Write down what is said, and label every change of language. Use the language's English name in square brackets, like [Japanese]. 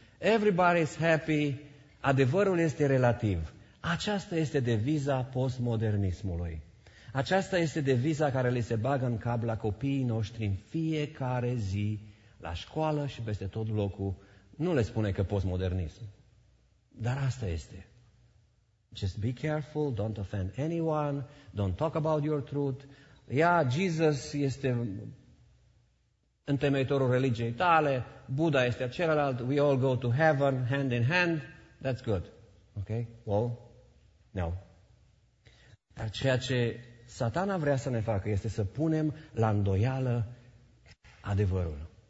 [English] Everybody is happy, [Romanian] adevărul este relativ. Aceasta este deviza postmodernismului. Aceasta este deviza care li se bagă în cap la copiii noștri în fiecare zi, la școală și peste tot locul. Nu le spune că postmodernism. Dar asta este. [English] Just be careful, don't offend anyone, don't talk about your truth. Yeah, Jesus [Romanian] este întemeitorul religiei tale, Buddha este celălalt, [English] we all go to heaven, hand in hand, that's good. Ok? Well, no. [Romanian] Dar ceea ce Satana vrea să ne facă este să punem la îndoială adevărul.